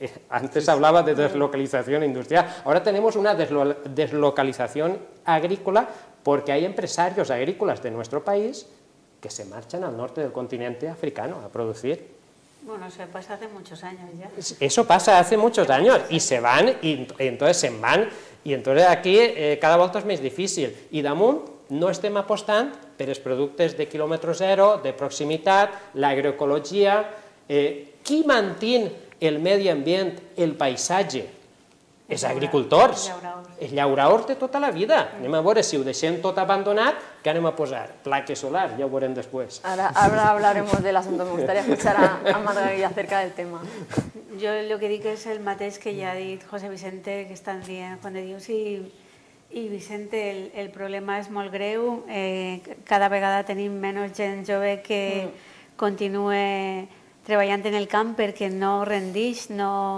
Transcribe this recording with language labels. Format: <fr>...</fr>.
<es>Antes hablaba de deslocalización industrial, ahora tenemos una deslocalización agrícola porque hay empresarios agrícolas de nuestro país que se marchan al norte del continente africano a producir. Bueno, eso pasa hace muchos años ya. Eso pasa hace muchos años y se van, y entonces aquí cada vuelta es más difícil.</es> <ca>Y damunt no estem apostant per els productes de quilòmetre zero, de proximitat, l'agroecologia, qui manté el medi ambient, el paisatge? Els agricultors, els llauraors de tota la vida. Anem a veure si ho deixem tot abandonat, què anem a posar? Plaques solars, ja ho veurem després. Ara hablarem de l'assumpte,</ca> <es>me gustaría escuchar a Margarida acerca del tema.</es> <ca>Jo el que dic és el mateix que ja ha dit José Vicente, que estan dient Juan de Dios i Vicente, el problema és molt greu, cada vegada tenim menys gent jove que continua treballant en el camp perquè no rendeix, no...</ca>